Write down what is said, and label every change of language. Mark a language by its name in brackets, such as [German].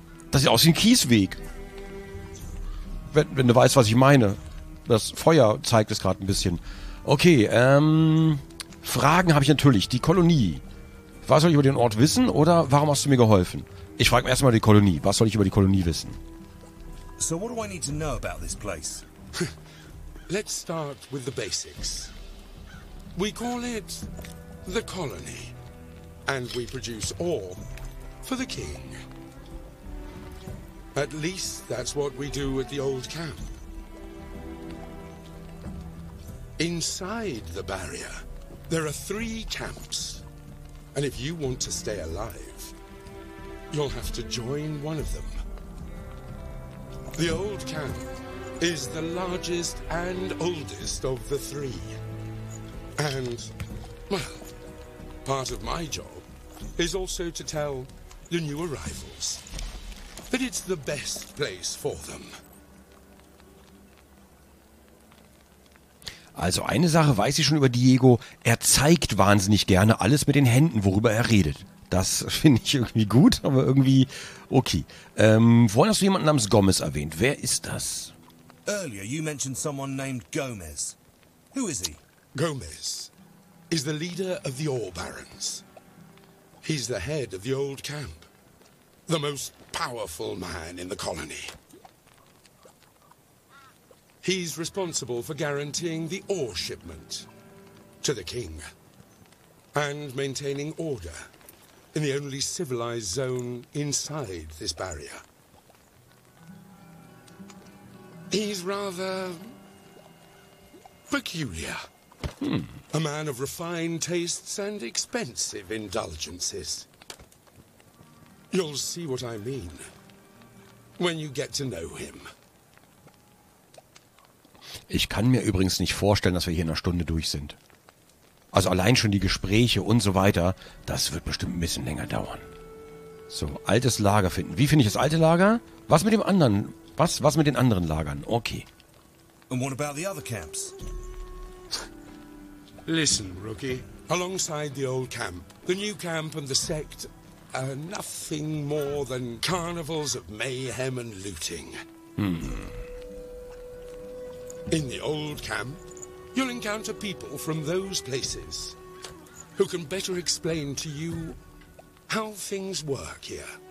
[German] Das sieht aus wie ein Kiesweg. Wenn du weißt, was ich meine. Das Feuer zeigt es gerade ein bisschen. Okay, Fragen habe ich natürlich. Die Kolonie. Was soll ich über den Ort wissen oder warum hast du mir geholfen? Ich frage erstmal die Kolonie. Was soll ich über die Kolonie wissen? [English] So what do I need to know about this place? Let's start with the basics. We call it the colony. And we produce ore for the king. At least that's what we do at the old camp. Inside the barrier, there are three camps. And if you want to stay alive, you'll have to join one of them. The old camp is the largest and oldest of the three. And, well, part of my job is also to tell the new arrivals that it's the best place for them. [German] Also eine Sache weiß ich schon über Diego, er zeigt wahnsinnig gerne alles mit den Händen, worüber er redet. Das finde ich irgendwie gut, aber irgendwie okay. Vorhin hast du jemanden namens Gomez erwähnt. Wer ist das? [English] Earlier you mentioned someone named Gomez. Who is he? Gomez is the leader of the Ore Barons. He's the head of the old camp. The most powerful man in the colony. He's responsible for guaranteeing the ore shipment to the king and maintaining order in the only civilized zone inside this barrier. He's rather peculiar. A man of refined tastes and expensive indulgences. You'll see what I mean when you get to know him. [German] Ich kann mir übrigens nicht vorstellen, dass wir hier in einer Stunde durch sind. Also allein schon die Gespräche und so weiter, das wird bestimmt ein bisschen länger dauern. So, altes Lager finden. Wie finde ich das alte Lager? Was mit dem anderen? Was mit den anderen Lagern? Okay. [English] And what about the other camps? Listen, rookie. Alongside the old camp, the new camp and the sect are nothing more than carnivals of mayhem and looting. In the old camp, you'll encounter people from those places who can better explain to you how things work here.